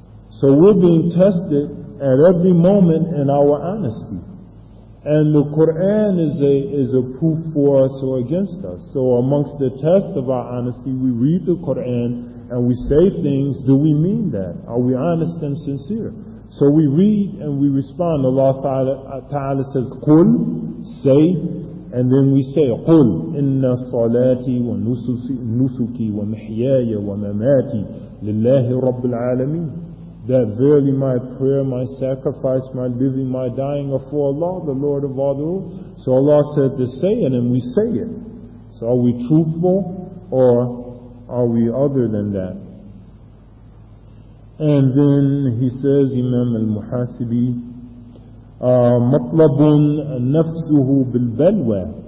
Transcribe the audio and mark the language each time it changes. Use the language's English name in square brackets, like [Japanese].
[English] So we're being tested at every moment in our honesty. And the Quran is a proof for us or against us. So amongst the test of our honesty, we read the Quran and we say things, do we mean that? Are we honest and sincere? So we read and we respond. Allah Ta'ala says, [Arabic] قُلْ, [English] say, and then we say, [Arabic] قُلْ إِنَّ صَلَاتِي وَنُسُكِي وَمِحْيَايَ وَمَمَاتِي لِلَّهِ رَبِّ الْعَالَمِينَ. [English] That verily my prayer, my sacrifice, my living, my dying are for Allah, the Lord of all the world. So Allah said to say it, and we say it. So are we truthful, or are we other than that? And then he says, Imam al-Muhasibi, [Arabic] مَطْلَبٌ نَفْسُهُ بِالْبَلْوَى.